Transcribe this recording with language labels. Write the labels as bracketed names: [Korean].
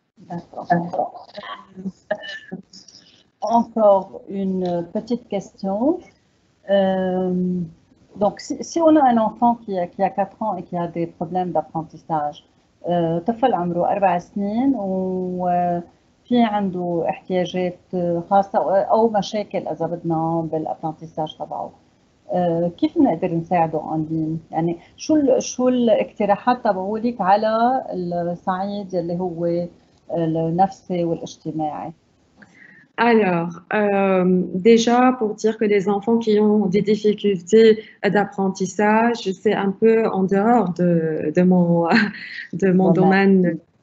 [French] D'accord. Encore une petite question. Donc, si on a un enfant qui a 4 ans et qui a des problèmes d'apprentissage, [Arabic] طفل عمره 4 سنين و في عنده احتياجات خاصة أو مشاكل إذا بدنا بالأبرنتيساج تبعه. كيف نقدر نساعده أونلاين؟ يعني شو الاقتراحات تبعه لك على الصعيد اللي هو النفسي والاجتماعي؟ [French] Alors, déjà, pour dire que les enfants qui ont des difficultés d'apprentissage, c'est un peu en dehors de mon domaine.